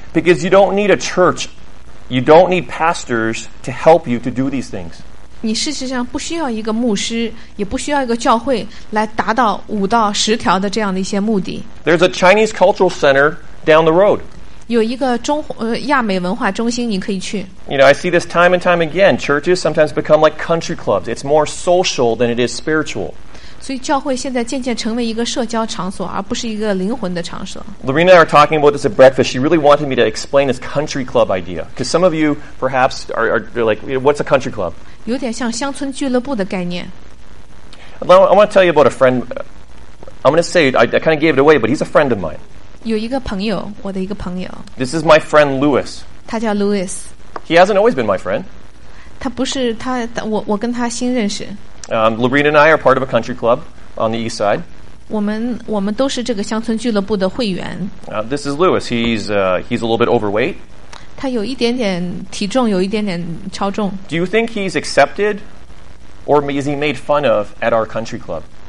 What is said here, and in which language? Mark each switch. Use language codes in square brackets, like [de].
[en] Because you don't need a church, you don't need pastors to help you to do these things. [zh] 你事实上不需要一个牧师，也不需要一个教会来达到5到10条的这样的一些目的。 [en] There's a Chinese cultural center down the road. [zh] 有一个亚美文化中心你可以去。 [en] You know, I see this time and time again. Churches sometimes become like country clubs. It's more social than it is spiritual. [zh] 所以教会现在渐渐成为一个社交场所，而不是一个灵魂的场所。 [en] Lorena and I are talking about this at breakfast. She really wanted me to explain this country club idea. Because some of you perhaps are like, what's a country club? [zh] 有点像乡村俱乐部的概念。 [en] I want to tell you about a friend. I'm going to say, I kind of gave it away, but he's a friend of mine. [zh] 有一个朋友，我的一个朋友。 [en] This is my friend Louis. [zh] 他叫Louis。 [en] He hasn't always been my friend. [zh] 他不是，我跟他新认识。 [en] Lorena and I are part of a country club on the east side. [zh] 我们都是这个乡村俱乐部的会员。 [en] This is Louis. He's a little bit overweight. [zh] 他有一点点体重，有一点点超重。 [en] Do you think he's accepted or is he made fun of at our country club?